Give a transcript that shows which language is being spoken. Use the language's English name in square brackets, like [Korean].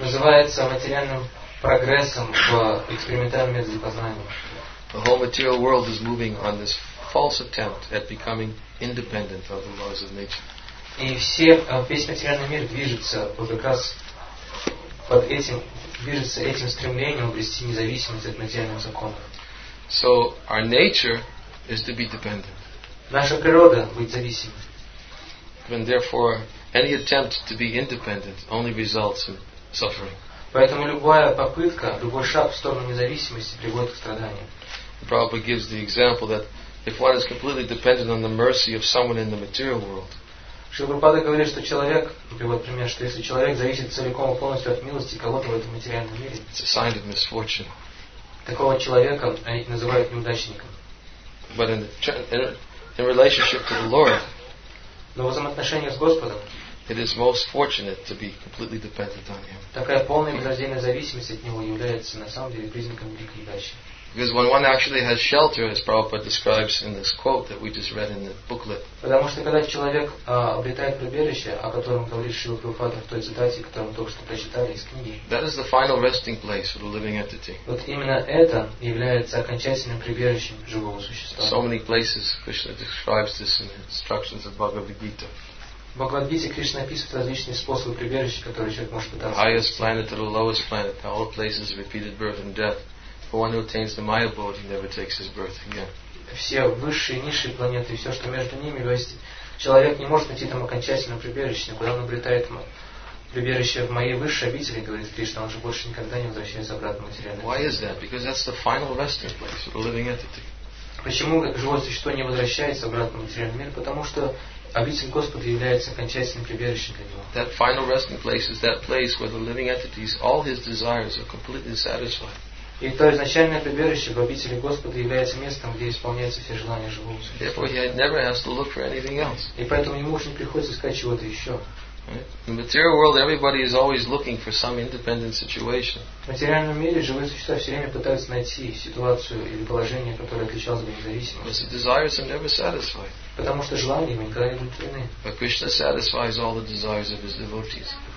[Russian] Называется материальным прогрессом в экспериментальном методе познания. [English] The whole material world is moving on this false attempt at becoming independent of the laws of nature. [Russian] И весь материальный мир движется вот как раз под этим, движется этим стремлением обрести независимость от материальных законов. [English] So our nature is to be dependent. [Russian] Наша природа быть зависимой. [English] And therefore, any attempt to be independent only results in suffering. [Russian] Поэтому любая попытка, любой шаг в сторону независимости приводит к страданиям. [English] Prabhupada gives the example that if one is completely dependent on the mercy of someone in the material world. [Russian] Шрила Прабхупада говорит, что человек, приводит пример, что если человек зависит целиком и полностью от милости кого-то в этом материальном мире, [English] it's a sign of misfortune. [Russian] Такого человека они называют неудачником. [English] But in relationship to the Lord, [Russian] но в взаимоотношении с Господом, [English] it is most fortunate to be completely dependent on Him. [Russian] Такая полная безраздельная зависимость от Него является на самом деле признаком великой удачи. [English] Because when one actually has shelter, as Prabhupada describes in this quote that we just read in the booklet. [Russian] Потому что когда человек обретает прибежище, о котором говорит Шрила Прабхупада в той цитате, которую мы только что прочитали из книги. [English] That is the final resting place for the living entity. [Russian] Вот именно это является окончательным прибежищем живого существа. [English] So many places Krishna describes this in the instructions of Bhagavad Gita. [Russian] В Бхагавад-гите Кришна описывает различные способы прибежища, которые человек может пытаться. [English] The highest planet to the lowest planet, all places of repeated birth and death. For one who attains the Maya abode, he never takes his birth again. [Russian] Все высшие, низшие планеты, все, что между ними, то есть человек не может найти там окончательное прибежище, куда он обретает прибежище в моей высшей обители, говорит Кришна, он же больше никогда не возвращается обратно в материальный мир. [English] Why is that? Because that's the final resting place for the living entity. [Russian] Почему живое существо не возвращается обратно в материальный мир? Потому что обитель Господа является окончательным прибежищем для него. [English] That final resting place is that place where the living entities, all his desires are completely satisfied. [Russian] И то изначальное прибежище в обители Господа является местом, где исполняются все желания живого существа. [English] Therefore, he never has to look for anything else. [Russian] И поэтому ему уж не приходится искать чего-то еще. [English] In the material world, everybody is always looking for some independent situation. [Russian] В материальном мире живые существа все время пытаются найти ситуацию или положение, которое отличалось бы независимостью. [English] Because the desires are never satisfied. [Russian] Потому что желания ему никогда не удовлетворены. [English] But Krishna satisfies all the desires of his devotees.